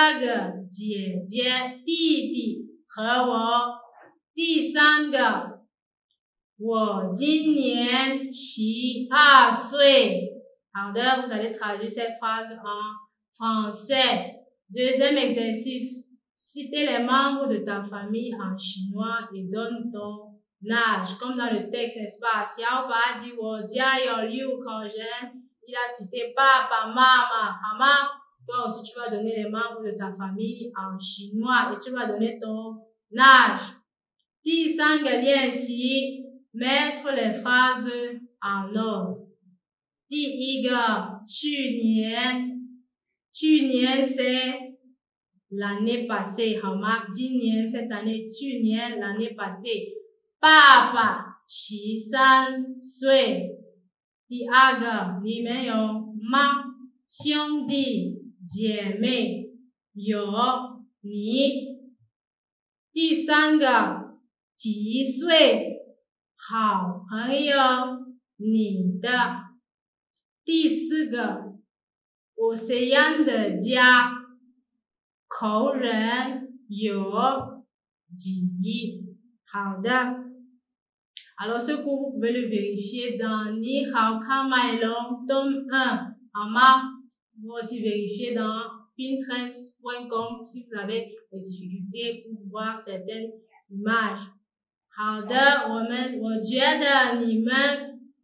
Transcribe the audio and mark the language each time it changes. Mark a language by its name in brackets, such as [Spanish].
[Chinese] 第一个句子，我没有兄弟姐妹。第二个，我家有六口人，爸爸妈妈、哥哥、姐姐、弟弟。和我。第三个，我今年12岁。好的， [French] vous allez traduire cette phrase en français. Deuxième exercice, citez les membres de ta famille en chinois et donne ton âge. Comme dans le texte, n'est-ce pas? Si Alpha a dit [Chinese] 我家有六口人, [French] il a cité papa, mama, ama. Toi aussi, tu vas donner les membres de ta famille en chinois et tu vas donner ton âge. [Chinese] 第三个练习, [French] mettre les phrases en ordre. [Chinese] 第一个, 去年 [French] c'est l'année passée, [Chinese] 好吗? 今年, [French] cette année, [Chinese] 去年, [French] l'année passée. [Chinese] 爸爸十三岁. 第二个, 你们有吗?兄弟姐妹, 有你. 第三个, 几岁好朋友你的。第四个，我谁样的家，口人有几？好的。 [French] Alors, ce cours, vous pouvez le vérifier dans 你好看麦龙 tome 1, [Chinese] 好吗? [French] Vous aussi vérifier dans pinterest.com si vous avez des difficultés pour voir certaines images. [Chinese] 好的，我觉得你们